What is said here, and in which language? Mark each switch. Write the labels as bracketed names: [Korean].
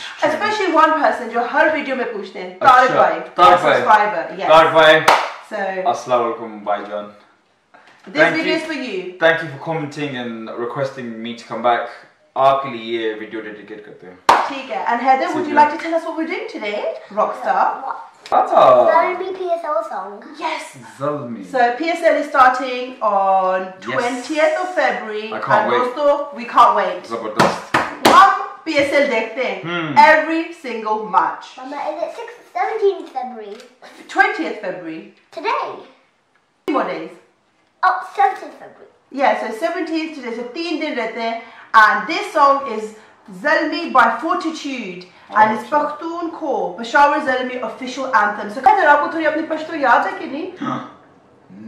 [English] Especially one person [Urdu] جو ہر video میں پوچھتے ہے، طارق بھائی۔ طارق بھائی۔ [English] Subscriber. Yes. Tarik bhai. So, [Urdu] assalamu alaikum bhai jaan. [English] This video is for you. Thank you for commenting and requesting me to come back. [Urdu] Aapke liye video dedicate karte hain. Theek hai. [English] And Haider, would you like to tell us what we're doing today? Rockstar. Zalmi PSL song. Yes. Zalmi. So PSL is starting on 20th of February. We can't wait. [Urdu] Zabardast. [English] One PSL dekhte every single match. Mama, is it 17th February? 20th February. Today. What days? Oh, 17th February. Yeah, so 17th today. [Urdu] So 3 دن رہتے ہیں۔ [English] And this song is Zalmi by Fortitude. And it's Pukhtoon ko Peshawar Zalmi official anthem. [Urdu] So، Haider, آپ کو تھوڑی اپنی پشتو یاد ہے کہ نہیں؟